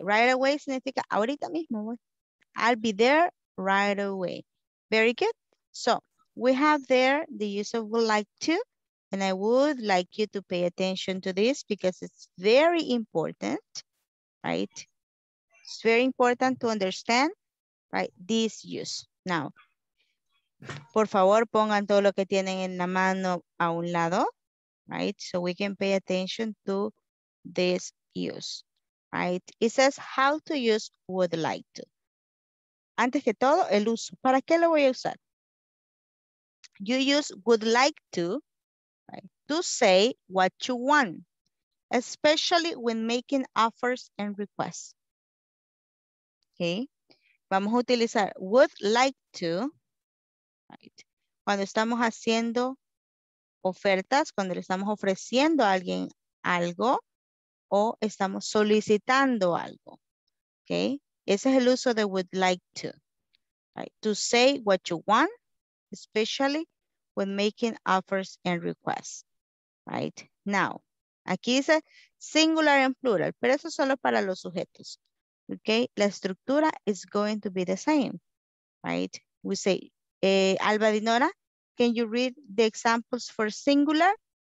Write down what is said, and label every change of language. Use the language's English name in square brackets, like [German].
[English] Right away [Spanish] significa ahorita mismo. [English] I'll be there right away. Very good. So we have there the use of would like to. And I would like you to pay attention to this because it's very important, right? It's very important to understand, right, this use. [Spanish] Now, por favor, pongan todo lo que tienen en la mano a un lado, right? [English] So we can pay attention to this use, right? It says how to use would like to. [Spanish] Antes que todo, el uso. ¿Para qué lo voy a usar? [English] You use would like to. To say what you want, especially when making offers and requests. [Spanish] Okay, vamos a utilizar would like to, right? Cuando estamos haciendo ofertas, cuando le estamos ofreciendo a alguien algo o estamos solicitando algo. Okay, ese es el uso de would like to, right? [English] To say what you want, especially when making offers and requests. [Spanish] Right now, aquí dice [English] singular and plural, [Spanish] pero eso solo para los sujetos. [English] Okay, [Spanish] la estructura [English] is going to be the same. Right, we say, Alba Dinora, can you read the examples for singular?